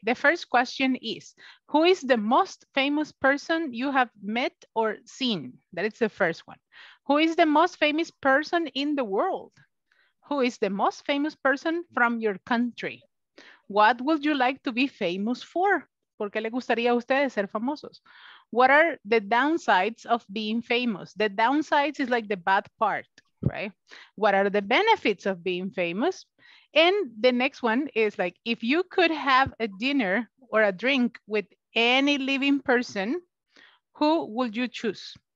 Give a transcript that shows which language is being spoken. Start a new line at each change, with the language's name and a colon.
English: The first question is, who is the most famous person you have met or seen? That is the first one. Who is the most famous person in the world? Who is the most famous person from your country? What would you like to be famous for?
Spanish: ¿Por qué le gustaría a ustedes ser famosos?
English: What are the downsides of being famous? The downsides is like the bad part, right? What are the benefits of being famous? And the next one is like, if you could have a dinner or a drink with any living person, who would you choose?